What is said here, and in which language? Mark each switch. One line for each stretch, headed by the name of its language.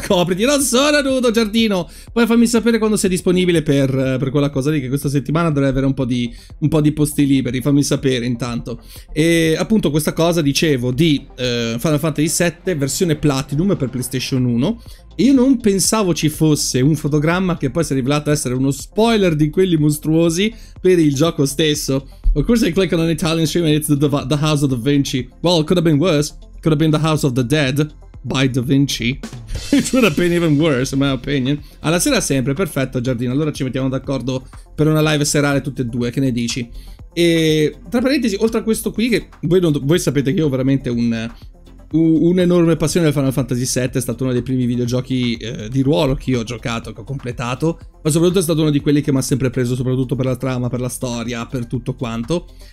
Italian: copriti, non sono nudo, Giardino! Poi fammi sapere quando sei disponibile per quella cosa lì, che questa settimana dovrei avere un po' di posti liberi, fammi sapere intanto. E appunto questa cosa, dicevo, di Final Fantasy VII, versione Platinum per PlayStation 1. Io non pensavo ci fosse un fotogramma che poi si è rivelato essere uno spoiler di quelli mostruosi per il gioco stesso.
English: Of course I click on an Italian stream and it's the House of Da Vinci. Well, it could have been worse. Could have been the House of the Dead by Da Vinci. It would have been even worse, in my opinion.
Italian: Alla sera sempre, perfetto Giardino. Allora ci mettiamo d'accordo per una live serale tutte e due, che ne dici? E tra parentesi, oltre a questo qui, che voi sapete che io ho veramente un'enorme passione del Final Fantasy VII, è stato uno dei primi videogiochi di ruolo che io ho giocato, che ho completato, ma soprattutto è stato uno di quelli che mi ha sempre preso, soprattutto per la trama, per la storia, per tutto quanto.